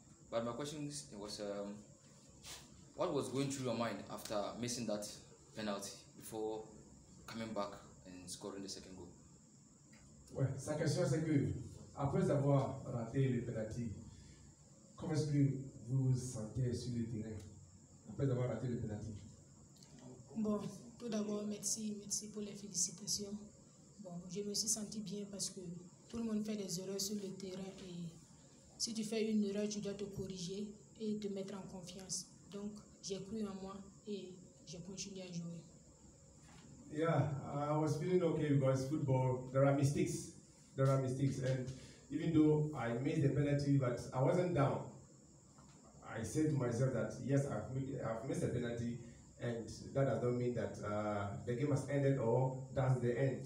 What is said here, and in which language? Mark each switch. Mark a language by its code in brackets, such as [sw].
[en] But my question was, what was going through your mind after missing that penalty before coming back and scoring the second goal? [fr] Well, sa question c'est que, après avoir raté le penalty, comment est-ce que vous vous sentez sur le terrain après avoir raté le penalty? Bon, tout d'abord, merci pour les félicitations. Bon, je me suis senti bien parce que tout le monde fait des erreurs sur le terrain et si tu fais une erreur, tu dois te corriger et te mettre en confiance. Donc, j'ai cru en moi et j'ai continué à jouer. [en] Yeah, I was feeling okay because football, there are mistakes. And even though I made the penalty, but I wasn't down. I said to myself that, yes, I've missed the penalty. And that does not mean that the game has ended or that's the end.